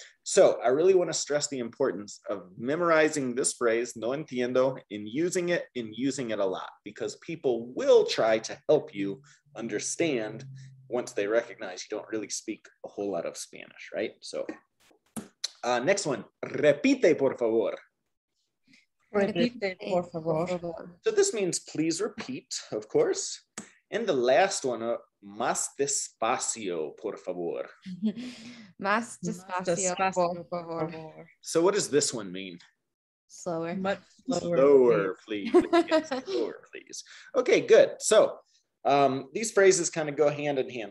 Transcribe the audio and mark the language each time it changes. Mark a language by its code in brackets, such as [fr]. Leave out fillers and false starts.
[en] So I really want to stress the importance of memorizing this phrase, [es] no entiendo, [en] and using it a lot, because people will try to help you understand once they recognize you don't really speak a whole lot of Spanish, right? So next one, [es] repite, por favor. Repite, por favor. [en] So this means please repeat, of course. And the last one, [es] más despacio, por favor. Más despacio, por favor. [en] So what does this one mean? Slower. Much slower. Slower, please. Slower, please. Okay, good. So these phrases kind of go hand in hand.